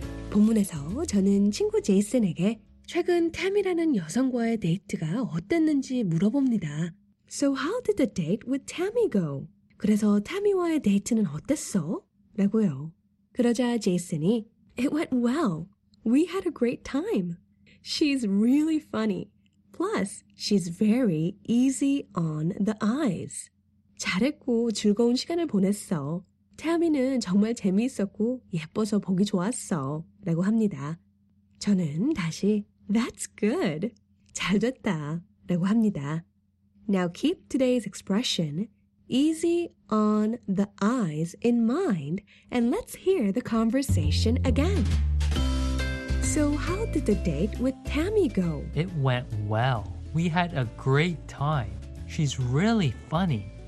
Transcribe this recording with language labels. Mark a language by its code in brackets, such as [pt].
[ko] 본문에서 저는 친구 제이슨에게 최근 태미라는 여성과의 데이트가 어땠는지 물어봅니다. [en] So how did the date with Tammy go? [ko] 그래서 태미와의 데이트는 어땠어? 라고요. 그러자 제이슨이 [en] It went well. We had a great time. She's really funny. Plus, she's very easy on the eyes. [ko] 잘했고 즐거운 시간을 보냈어. 태미는 정말 재미있었고 예뻐서 보기 좋았어. 라고 합니다. 저는 다시 [en] That's good. [ko] 잘 됐다. 라고 합니다. [en] Now keep today's expression easy on the eyes in mind and let's hear the conversation again. So how did the date with Tammy go? It went well. We had a great time. She's really funny.